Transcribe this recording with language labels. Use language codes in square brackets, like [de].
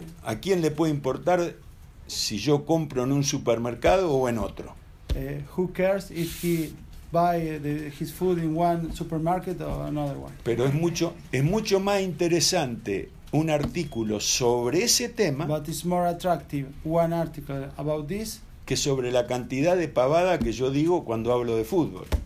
[es] ¿A quién le puede importar si yo compro en un supermercado o en otro? [en] Who cares if he buy his food in one supermarket or another one? [es] Pero es mucho más interesante un artículo sobre ese tema. [en] But it's more attractive one article about this. [es] Que sobre la cantidad de pavada que yo digo cuando hablo de fútbol.